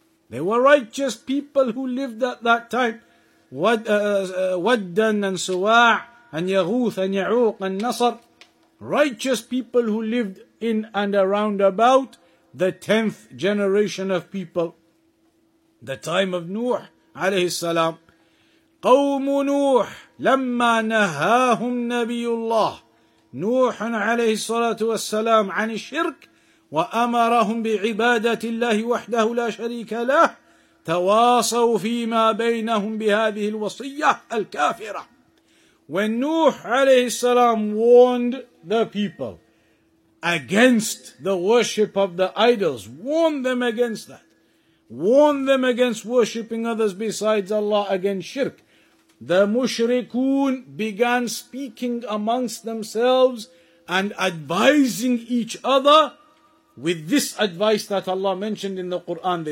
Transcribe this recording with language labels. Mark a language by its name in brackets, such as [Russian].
[English] They were righteous people who lived at that time. Waddan and Suwa' and Yaghuth and Ya'uq and Nasr. Righteous people who lived in and around about the 10th generation of people. The time of Nuh alayhi salam. [Arabic] قوم نوح لما نهاهم نبي الله نوح عليه الصلاة والسلام عن الشرك وأمرهم بعبادة الله وحده لا شريك له تواصوا فيما بينهم بهذه الوصية الكافرة. [English] When Nuh عليه السلام warned the people against the worship of the idols, warned them against that, warned them against worshipping others besides Allah, against shirk, the mushrikun began speaking amongst themselves and advising each other with this advice that Allah mentioned in the Quran.